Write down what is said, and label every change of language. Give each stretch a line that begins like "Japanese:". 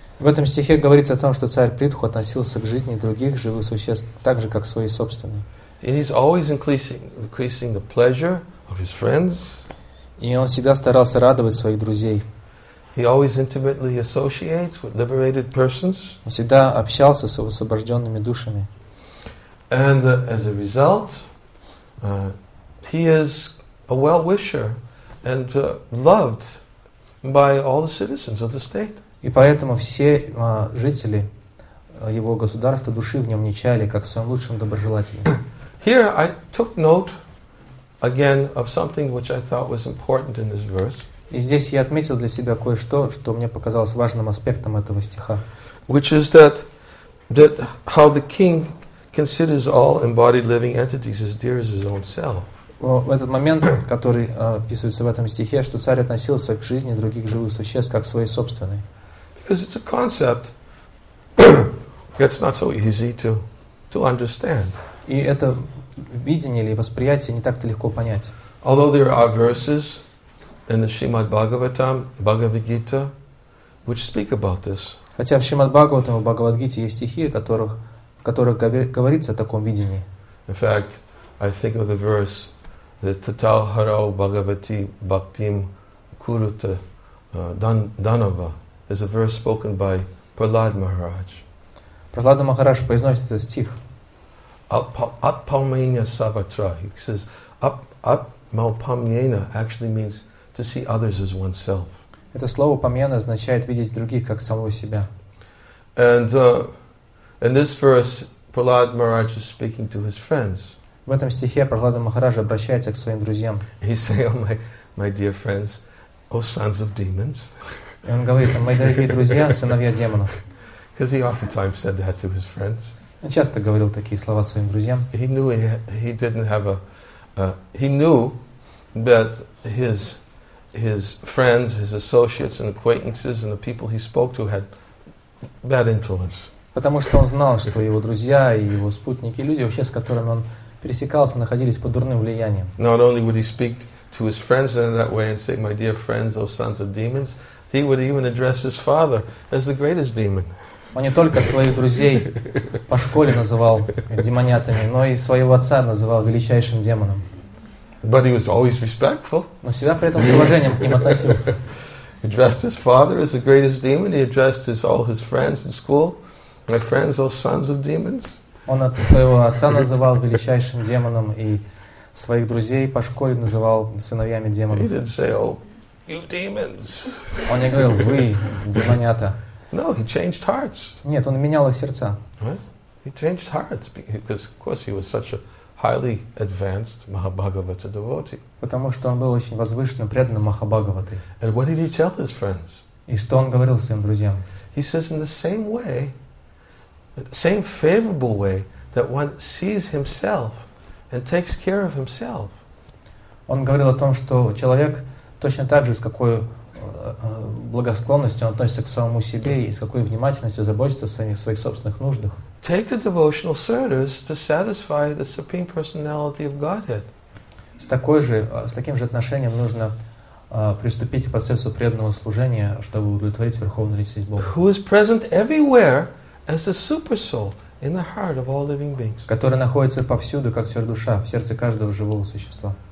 Russian: В этом стихе говорится о том, что царь Притху относился к жизни других живых существ так же, как к своей собственной.
English: And he's always increasing the pleasure of his friends.
Russian: И он всегда старался радовать своих друзей.
English: He always intimately associates with liberated persons.
Russian: Он всегда общался с освобожденными душами.
English: And as a result, he is a well-wisher and loved by all the citizens of the state.
Russian: И поэтому все жители его государства души в нем не чаяли, как в своем лучшем доброжелателе.
English: Here I took note again of something which I thought was important in this verse.
Russian: И здесь я отметил для себя кое-что, что мне показалось важным аспектом этого стиха.
English: Which is that how the king considers all embodied living entities as dear as his own self.
Russian: В этот момент, который описывается в этом стихе, что царь относился к жизни других живых существ как к своей собственной.
English: Because it's a concept that's not so easy to understand.
Russian: И это видение или восприятие не так-то легко понять.
English: Although there are verses in the Shrimad Bhagavatam, Bhagavad Gita, which speak about this.
Russian: Хотя в Шримад Бхагаватам и Бхагавад Гите есть стихи, в которых говорится о таком видении.
English: In fact, I think of the verse that
Sanskrit: Tatau Harau Bhagavati Bhaktim Kuruta Danava
English: is a verse spoken by Prahlad Maharaj.
Russian: Прахлада Махараш произносит этот стих.
Sanskrit: Отполнение саватра.
English: He says, отполнение actually means to see others as oneself.
Russian: Это слово помьяна означает видеть других как самого себя.
English: And in this verse, Prahlad Maharaj is speaking to his friends.
Russian: В этом стихе Прахлада Махараш обращается к своим друзьям.
English: He says, oh, my dear friends, O sons of demons.
Russian: И он говорит, мои дорогие друзья, сыновья демонов.
English: Because he oftentimes said that to his friends. Он часто говорил такие слова своим друзьям. He knew he didn't have a. He knew that his friends, his associates and acquaintances and the people he spoke to had bad influence.
Russian: Потому что он знал, что его друзья и его спутники, люди вообще, с которыми он пересекался, находились под дурным влиянием.
English: Not only would he speak to his friends in that way and say, "My dear friends, O sons of demons," he would even address his father as the greatest demon.
Russian: Он не только своих друзей по школе называл демонятами, но и своего отца называл величайшим демоном.
English: But he was always respectful.
Russian: Но всегда при этом с уважением к ним относился.
English: He addressed his father as the greatest demon. He addressed all his friends in school, "My friends, O sons of demons."
Russian: Он своего отца называл величайшим демоном и своих друзей по школе называл сыновьями демонов.
English: He didn't say, "Oh, you demons."
Russian: Он не говорил, вы демонята.
English: No, he changed hearts.
Russian: Нет, он менял сердца.
English: What? He changed hearts because, of course, he was such a highly advanced Mahabhagavata devotee.
Russian: Потому что он был очень возвышенным, преданным Махабхагаватой.
English: And what did he tell his friends?
Russian: И что он говорил своим друзьям?
English: He says, in the same way, same favorable way that one sees himself and takes care of himself.
Russian: Он говорил о том, что человек точно так же, с какой благосклонностью он относится к самому себе и с какой внимательностью заботится о самих своих собственных нуждах.
English: Take the devotional service to satisfy the supreme personality of Godhead.
Russian: С таким же отношением нужно приступить к процессу преданного служения, чтобы удовлетворить верховную личность Бога.
English: Who is present everywhere as the super soul in the heart of all living beings.
Russian: Который находится повсюду как сверхдуша в сердце каждого живого существа.